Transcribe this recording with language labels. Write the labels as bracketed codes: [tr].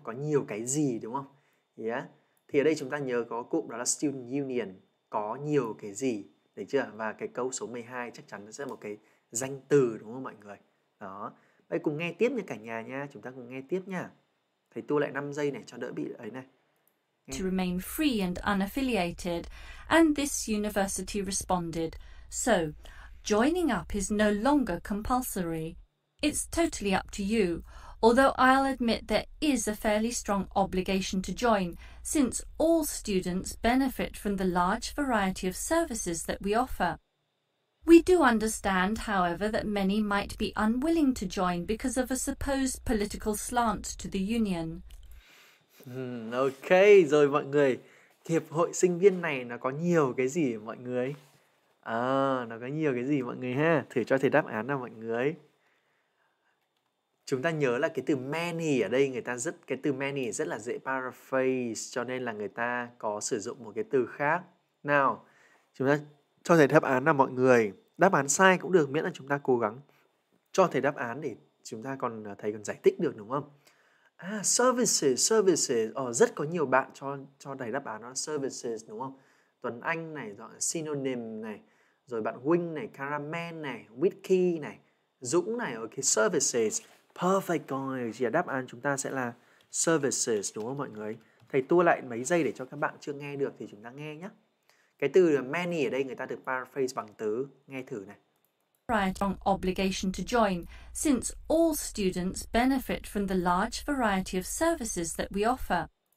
[vi] Có nhiều cái gì đúng không? Yeah. Thì ở đây chúng ta nhớ có cụm đó là student union. Có nhiều cái gì? Đấy chưa? Và cái câu số 12 chắc chắn nó sẽ là một cái danh từ đúng không mọi người? Đó. Vậy cùng nghe tiếp nha cả nhà nha. Chúng ta cùng nghe tiếp nha. Thầy tua lại 5 giây này cho đỡ bị ấy này. [en] To remain free and unaffiliated, and this university responded, so joining up is no longer compulsory. It's totally up to you, although I'll admit there is a fairly strong obligation to join, since all students benefit from the large variety of services that we offer. We do understand, however, that many might be unwilling to join because of a supposed political slant to the union. [vi] Ok, rồi mọi người. Hiệp hội sinh viên này nó có nhiều cái gì mọi người? À, nó có nhiều cái gì mọi người ha? Thử cho thầy đáp án nào mọi người. Chúng ta nhớ là cái từ many ở đây người ta rất, cái từ many rất là dễ paraphrase, cho nên là người ta có sử dụng một cái từ khác. Nào, chúng ta cho thầy đáp án nào mọi người. Đáp án sai cũng được, miễn là chúng ta cố gắng cho thầy đáp án để chúng ta còn thầy còn giải thích được đúng không? À, services, rất có nhiều bạn cho đầy đáp án đó, services đúng không? Tuấn Anh này, gọi synonym này, rồi bạn Huynh này, Caramel này, Whitkey này, Dũng này, ok, services, [en] perfect guys, yeah, [vi] đáp án chúng ta sẽ là services đúng không mọi người? Thầy tua lại mấy giây để cho các bạn chưa nghe được thì chúng ta nghe nhé. Cái từ many ở đây người ta được paraphrase bằng từ, nghe thử này. [en] Strong obligation to join, since all students benefit from the large variety of services that we offer.